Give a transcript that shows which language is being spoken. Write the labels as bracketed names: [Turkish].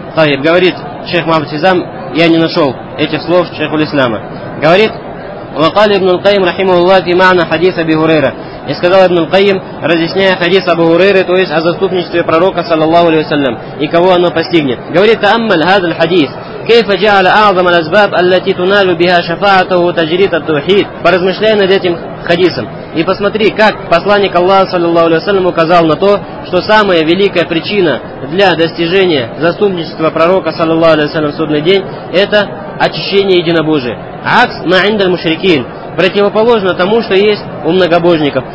[Russian] Тайб, говорит шейх Мухаммад Хизам, я не нашел этих слов шейхуль ислама. Говорит, [Arabic] «Ва кали ибн аль-Кайм рахима Аллах и маана хадиса Абу Гурейра». [Russian] И сказал Ибн Аль-Кайим, разъясняя хадис Абу Хурейры, то есть о заступничестве пророка, саллаллаху алейхи ва саллям, и кого оно постигнет. Говорит, [Arabic] тааммаль хазал хадис. كيف جعل أعظم الأسباب التي تنال بها شفاعته تجريد التوحيد. [Russian] Поразмышляй над этим хадисом и посмотри, как посланник Аллаха саллаллаху алейхи ва саллям указал на то, что самая великая причина для достижения заступничества пророка саллаллаху алейхи ва саллям в судный день — это очищение единобожия. [Arabic] Акс ма инда аль-мушрикин. [Russian] Противоположно тому, что есть у многобожников.